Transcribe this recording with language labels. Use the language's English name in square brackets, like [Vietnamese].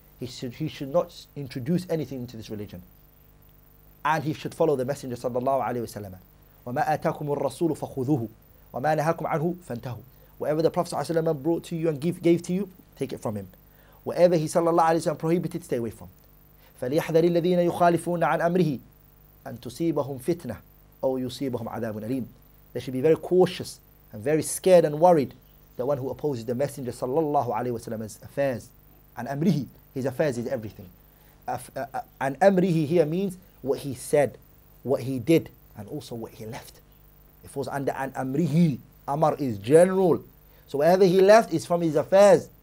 [English] He should not introduce anything into this religion. And he should follow the Messenger sallallahu alayhi wa sallam. [Arabic] وَمَا أَتَاكُمُ الرَّسُولُ فَخُذُوهُ وما نهاكم عنه فانتهوا. [English] Whatever the Prophet ﷺ brought to you and gave to you, take it from him. Whatever he sallallahu alayhi wa sallam prohibited, stay away from. [Arabic] فليحذر الذين يخالفون عن أمره أن تصيبهم فتنة أو يصيبهم عذاب أليم. [English] They should be very cautious and very scared and worried, the one who opposes the Messenger sallallahu alayhi wa sallam's affairs. [Arabic] عن أمره, [English] his affairs is everything. عن أمره here means what he said, what he did, and also what he left. It falls under [Arabic] عن أمره. [English] Amar is general. So whatever he left is from his affairs.